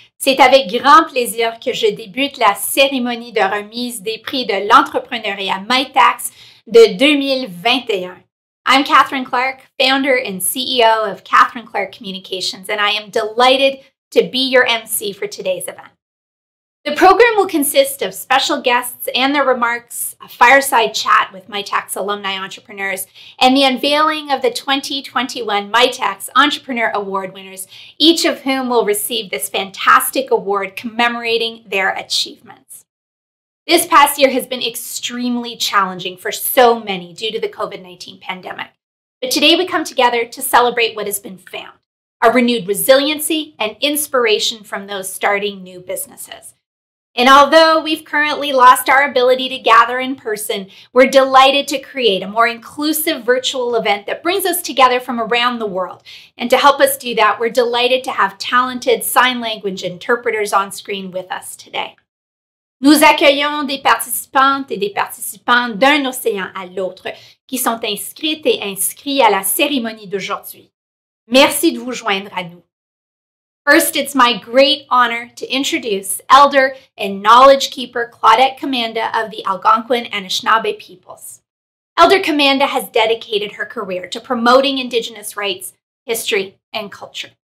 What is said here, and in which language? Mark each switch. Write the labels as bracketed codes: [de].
[fr] C'est avec grand plaisir que je débute la cérémonie de remise des prix de l'entrepreneuriat Mitacs de 2021. [en] I'm Catherine Clark, founder and CEO of Catherine Clark Communications, and I am delighted to be your MC for today's event. The program will consist of special guests and their remarks, a fireside chat with Mitacs alumni entrepreneurs, and the unveiling of the 2021 Mitacs Entrepreneur Award winners, each of whom will receive this fantastic award commemorating their achievements. This past year has been extremely challenging for so many due to the COVID-19 pandemic, but today we come together to celebrate what has been found, a renewed resiliency and inspiration from those starting new businesses. And although we've currently lost our ability to gather in person, we're delighted to create a more inclusive virtual event that brings us together from around the world. And to help us do that, we're delighted to have talented sign language interpreters on screen with us today. [fr] Nous accueillons des participantes et des participants d'un océan à l'autre qui sont inscrites et inscrits à la cérémonie d'aujourd'hui. Merci de vous joindre à nous. [en] First, it's my great honor to introduce Elder and Knowledge Keeper Claudette Kamanda of the Algonquin Anishinaabe peoples. Elder Kamanda has dedicated her career to promoting Indigenous rights, history, and culture.